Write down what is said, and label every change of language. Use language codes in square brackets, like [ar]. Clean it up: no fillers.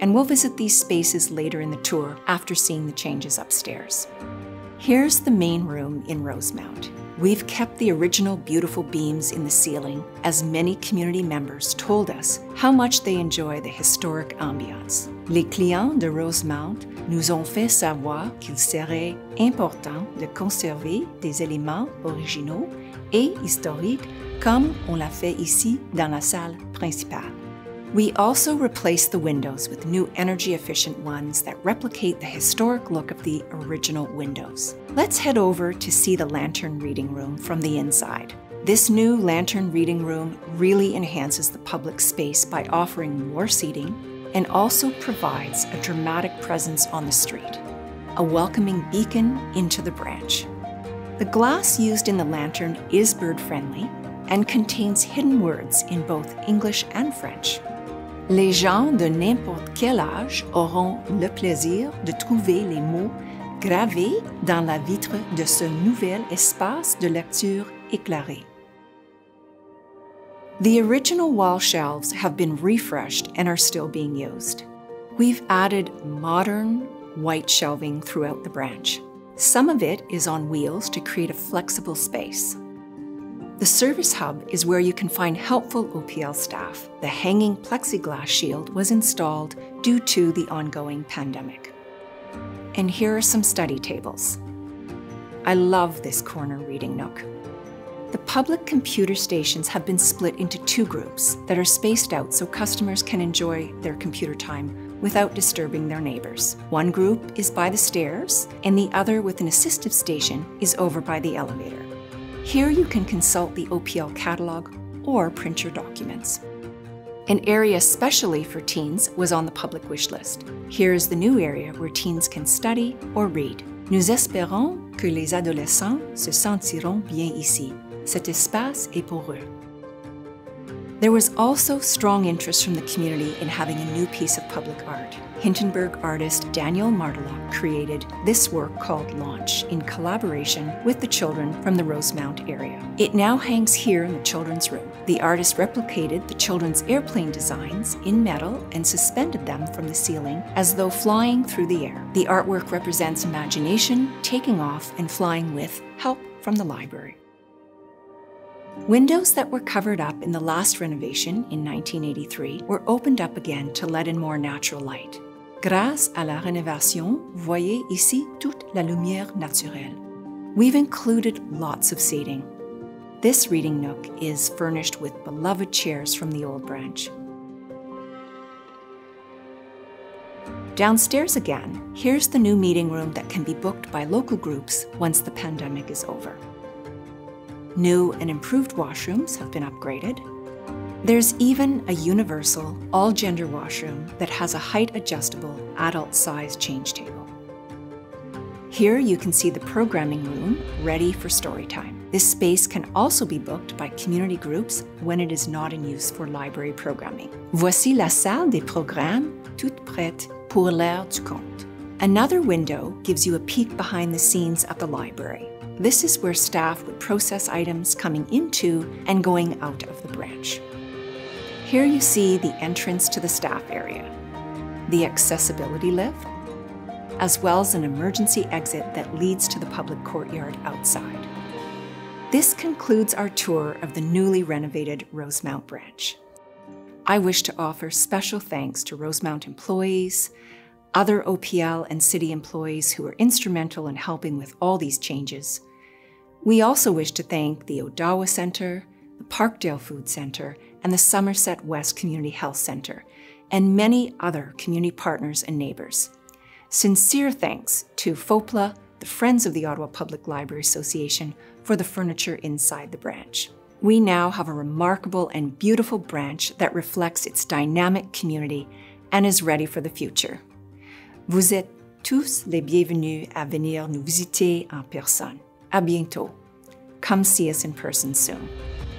[en] And we'll visit these spaces later in the tour after seeing the changes upstairs. Here's the main room in Rosemount. We've kept the original beautiful beams in the ceiling, as many community members told us how much they enjoy the historic ambiance. [fr] Les clients de Rosemount nous ont fait savoir qu'il serait important de conserver des éléments originaux et historiques comme on l'a fait ici dans la salle principale. [en] We also replaced the windows with new energy-efficient ones that replicate the historic look of the original windows. Let's head over to see the lantern reading room from the inside. This new lantern reading room really enhances the public space by offering more seating and also provides a dramatic presence on the street, a welcoming beacon into the branch. The glass used in the lantern is bird-friendly and contains hidden words in both English and French. [fr] Les gens de n'importe quel âge auront le plaisir de trouver les mots gravés dans la vitre de ce nouvel espace de lecture éclairé. [en] The original wall shelves have been refreshed and are still being used. We've added modern white shelving throughout the branch. Some of it is on wheels to create a flexible space. The service hub is where you can find helpful OPL staff. The hanging plexiglass shield was installed due to the ongoing pandemic. And here are some study tables. I love this corner reading nook. The public computer stations have been split into two groups that are spaced out so customers can enjoy their computer time without disturbing their neighbors. One group is by the stairs, and the other with an assistive station is over by the elevator. Here you can consult the OPL catalog or print your documents. An area specially for teens was on the public wish list. Here is the new area where teens can study or read. [fr] Nous espérons que les adolescents se sentiront bien ici. Cet espace est pour eux. [en] There was also strong interest from the community in having a new piece of public art. Hindenburg artist Daniel Martelot created this work called Launch in collaboration with the children from the Rosemount area. It now hangs here in the children's room. The artist replicated the children's airplane designs in metal and suspended them from the ceiling as though flying through the air. The artwork represents imagination, taking off, and flying with help from the library. Windows that were covered up in the last renovation in 1983 were opened up again to let in more natural light. [fr] Grâce à la rénovation, voyez ici toute la lumière naturelle. [en] We've included lots of seating. This reading nook is furnished with beloved chairs from the old branch. Downstairs again, here's the new meeting room that can be booked by local groups once the pandemic is over. New and improved washrooms have been upgraded. There's even a universal, all-gender washroom that has a height-adjustable, adult-size change table. Here you can see the programming room ready for story time. This space can also be booked by community groups when it is not in use for library programming. [fr] Voici la salle des programmes toute prête pour l'heure du compte. [en] Another window gives you a peek behind the scenes at the library. This is where staff would process items coming into and going out of the branch. Here you see the entrance to the staff area, the accessibility lift, as well as an emergency exit that leads to the public courtyard outside. This concludes our tour of the newly renovated Rosemount branch. I wish to offer special thanks to Rosemount employees, other OPL and city employees who were instrumental in helping with all these changes. We also wish to thank the Odawa Center, the Parkdale Food Center, and the Somerset West Community Health Center, and many other community partners and neighbors. Sincere thanks to FOPLA, the Friends of the Ottawa Public Library Association, for the furniture inside the branch. We now have a remarkable and beautiful branch that reflects its dynamic community and is ready for the future. [fr] Vous êtes tous les bienvenus à venir nous visiter en personne. À bientôt. [en] Come see us in person soon.